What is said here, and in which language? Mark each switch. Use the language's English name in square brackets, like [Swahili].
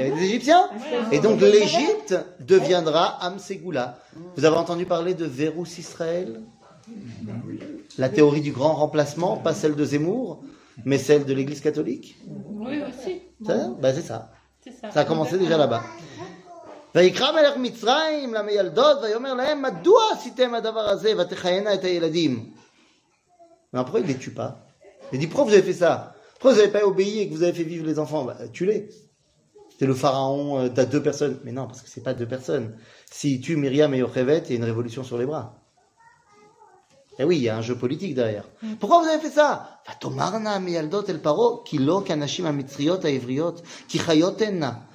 [French] Avec des Égyptiens ? Et donc l'Égypte deviendra Amségoula. Vous avez entendu parler de Verus Israël ? La théorie du grand remplacement, pas celle de Zemmour, mais celle de l'Église catholique ? Oui, aussi. C'est ça. Ça a commencé déjà là-bas. [Hebrew] ויקרא מלך מצרים למילדות ויאמר להם מדוע עשיתם הדבר הזה ותחיינה את הילדים. [French] Mais après il les tue pas. Il dit pourquoi vous avez fait ça? Pourquoi vous avez pas obéi et que vous avez fait vivre les enfants? Bah, tue-les. C'est le pharaon, t'as deux personnes. Mais non, parce que c'est pas deux personnes. Si tu tues Myriam et Yochevet, il y a une révolution sur les bras. Eh oui, il y a un jeu politique derrière. Pourquoi vous avez fait ça? [Hebrew] ותאמרנה המילדות אל פרעה כי לא כנשים המצריות העבריות כי חיות הנה.